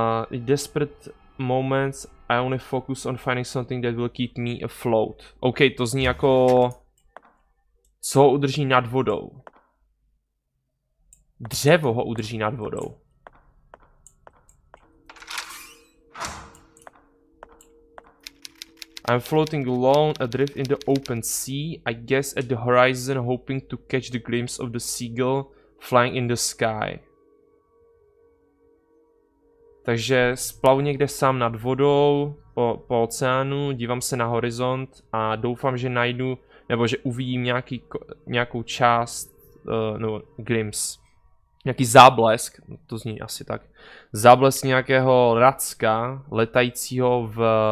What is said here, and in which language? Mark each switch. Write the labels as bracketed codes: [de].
[en] Desperate moments, I only focus on finding something that will keep me afloat. [cs] OK, to zní jako, co ho udrží nad vodou. Dřevo ho udrží nad vodou. [en] I'm floating alone adrift in the open sea, I guess at the horizon, hoping to catch the glimpse of the seagull flying in the sky. [cs] Takže splavu někde sám nad vodou, po oceánu, dívám se na horizont a doufám, že najdu, nebo že uvidím nějakou část, nebo glimpse, nějaký záblesk, to zní asi tak, záblesk nějakého racka letajícího v...